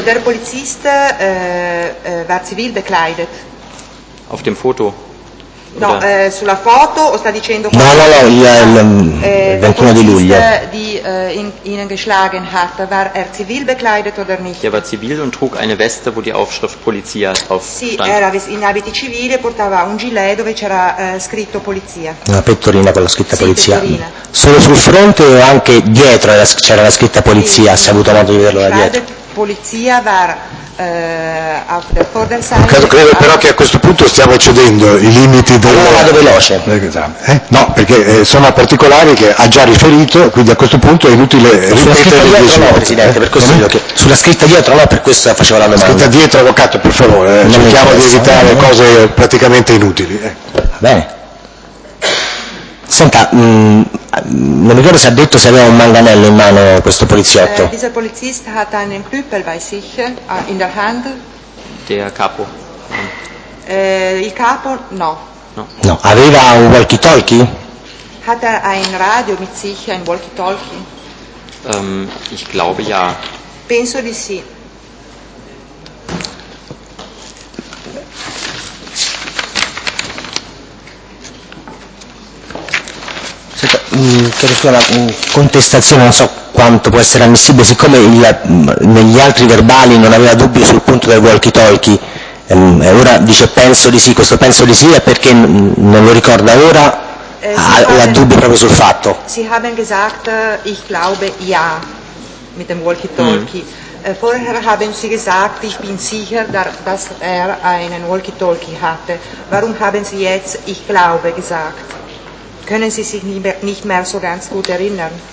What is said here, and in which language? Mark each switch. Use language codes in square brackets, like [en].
[de] Der Polizist war zivil bekleidet. Auf dem Foto. [it] No, sulla foto o sta dicendo no, no, no, il 21 di luglio. [de] Ihnen geschlagen hat, war zivil bekleidet oder nicht? Er war zivil und trug eine Weste, wo die Aufschrift Polizia drauf [it] sì, [de] stand. [it] Sì, era in abiti civili e portava un gilet dove c'era scritto Polizia. Una pettorina con la scritta sì, Polizia. Pettorina. Solo sul fronte o anche dietro c'era la scritta Polizia, sì, se ha avuto modo di vederlo da dietro. [de] Polizia war [it] credo però che a questo punto stiamo eccedendo i limiti del. Non vado veloce. No, perché sono particolari che ha già riferito, quindi a questo punto è inutile ripetere il discorso. No, Presidente, per questo che sulla scritta dietro, no, per questo facevo la domanda. La scritta dietro, avvocato, per favore, cerchiamo di evitare cose praticamente inutili. Va bene. Senta, non mi ricordo se ha detto se aveva un manganello in mano questo poliziotto. Questo poliziotto ha un [de] knüppel bei sich in der Hand. Der capo. [it] Il capo no. No. No. Aveva un walkie-talkie? [de] Hat ein radio mit sich, ein walkie-talkie? Ich glaube ja. [it] Penso di sì. Chiedo scusa, una contestazione, non so quanto può essere ammissibile, siccome negli altri verbali non aveva dubbi sul punto del walkie talkie, ora dice penso di sì, questo penso di sì è perché non lo ricorda ora o ha dubbi proprio sul fatto. [de] Sie haben gesagt, ich glaube ja, mit dem walkie talkie. Vorher haben Sie gesagt, ich bin sicher, dass einen walkie talkie hatte. Warum haben Sie jetzt, ich glaube, gesagt? Können Sie sich nicht mehr so ganz gut erinnern?